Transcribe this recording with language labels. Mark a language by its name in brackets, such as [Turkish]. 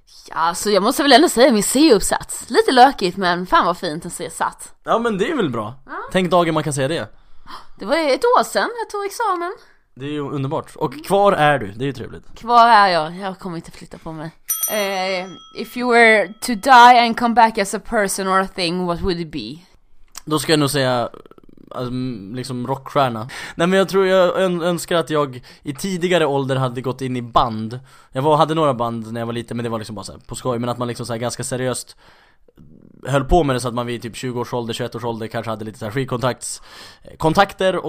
[Swedish] Alltså jag måste väl ändå säga min C-uppsats. Lite lökigt, men fan vad fint en C-sats. Ja, men det är väl bra. Ja. Tänk dagen man kan säga det. Det var ett år sedan jag tog examen. Det är ju underbart. Och kvar är du, det är ju trevligt. Kvar är jag, kommer inte flytta på mig. [English] If you were to die and come back as a person or a thing, what would it be? [Swedish] Då ska jag nog säga liksom rockstjärna. Nej, men jag tror jag önskar att jag i tidigare ålder hade gått in i band. Jag hade några band när jag var liten, men det var liksom bara så här på skoj. Men att man liksom så här ganska seriöst höll på med det, så att man vid typ 20 års ålder, 21 års ålder kanske hade lite så här skivkontakter.